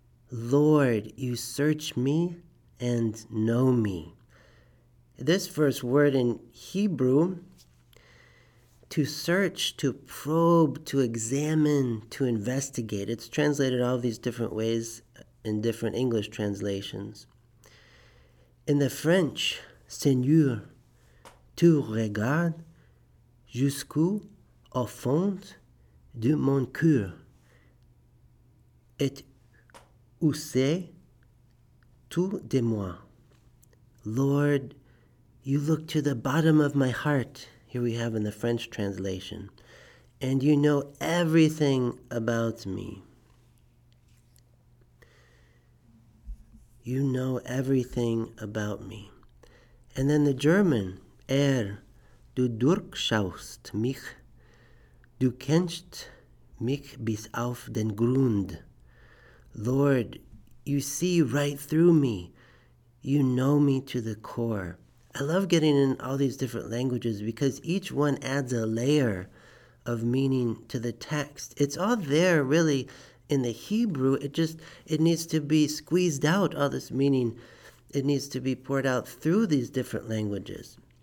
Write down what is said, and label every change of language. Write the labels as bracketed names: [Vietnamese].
[English] Lord, you search me and know me. This first word in Hebrew, to search, to probe, to examine, to investigate. It's translated all these different ways in different English translations. In the French, [French] Seigneur, tu regardes jusqu'au au fond de mon cœur. Et où c'est tout de moi. [English] Lord, you look to the bottom of my heart. Here we have in the French translation. And you know everything about me. You know everything about me. And then the German, [German] du durchschaust mich, du kennst mich bis auf den Grund. [English] Lord, you see right through me. You know me to the core. I love getting in all these different languages because each one adds a layer of meaning to the text. It's all there, really, in the Hebrew. It needs to be squeezed out, all this meaning. It needs to be poured out through these different languages.